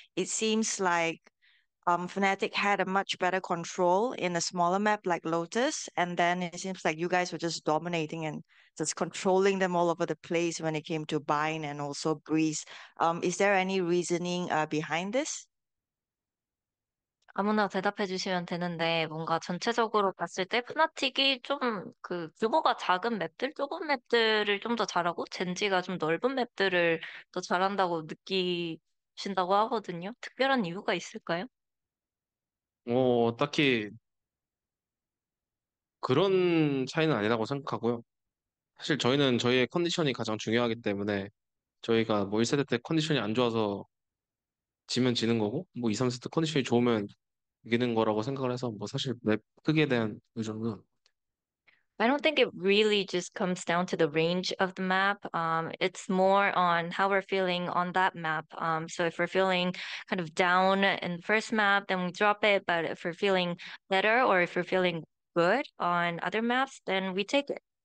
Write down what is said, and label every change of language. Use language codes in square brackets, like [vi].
[en] It seems like Fnatic had a much better control in a smaller map like Lotus, and then it seems like you guys were just dominating and just controlling them all over the place when it came to Bind and also Breeze. Is there any reasoning behind this? [ko] 아무나 대답해 주시면 되는데 뭔가 전체적으로 봤을 때 Fnatic이 좀 그 규모가 작은 맵들, 좁은 맵들을 좀 더 잘하고 젠지가 좀 넓은 맵들을 더 잘한다고 느끼신다고 하거든요. 특별한 이유가 있을까요? 딱히 그런 차이는 아니라고 생각하고요. 사실 저희는 저희의 컨디션이 가장 중요하기 때문에 저희가 뭐 1세대 때 컨디션이 안 좋아서 지면 지는 거고 뭐 2, 3세대 컨디션이 좋으면 이기는 거라고 생각을 해서 뭐 사실 맵 크기에 대한 의존은 [en] I don't think it really just comes down to the range of the map. It's more on how we're feeling on that map. So if we're feeling kind of down in the first map, then we drop it. But if we're feeling better or if we're feeling good on other maps, then we take it.